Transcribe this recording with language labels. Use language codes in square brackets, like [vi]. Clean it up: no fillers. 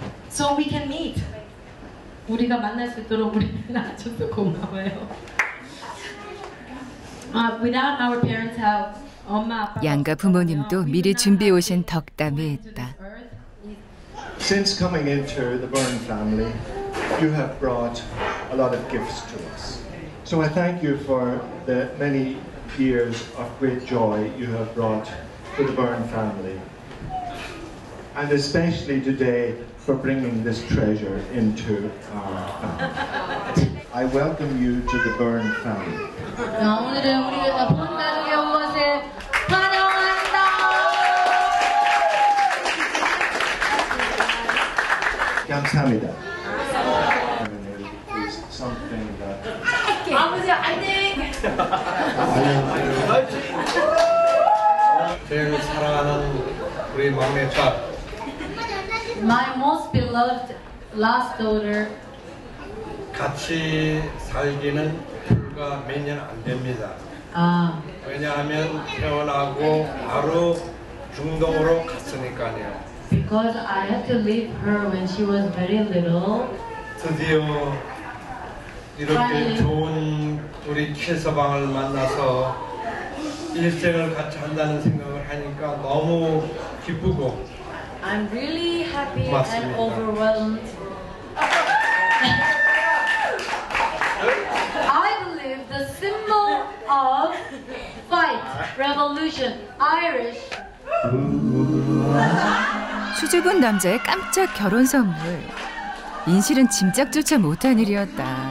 [en] So we can meet. [ko] 우리가 만날 수 있도록 우리를 낳아줘서 고마워요. [en] Without our parents' help, [ko] 엄마, 아빠, 양가 부모님도 미리 준비해 오신 덕담이 있다. [en] Since coming into the Byrne family, you have brought a lot of gifts to us. So I thank you for the many years of great joy you have brought to the Byrne family, and especially today for bringing this treasure into our family. I welcome you to the Byrne family. [ko] 오늘은 우리가 본 축하합니다. 아버지 안녕. 제일 사랑하는 우리 막내 딸. [en] My most beloved last daughter. [ko] 같이 살기는 불과 몇 년 안 됩니다. 왜냐하면 태어나고 바로 중동으로 갔으니까요. [en] Because I had to leave her when she was very little. [ko] 드디어 이렇게 좋은 우리 최서방을 만나서 일생을 같이 한다는 생각을 하니까 너무 기쁘고 [en] I'm really happy [ko] 고맙습니다. [en] And overwhelmed. I believe the symbol of fight, revolution, Irish. [ko] 수줍은 남자의 깜짝 결혼 선물. 인실은 짐작조차 못한 일이었다.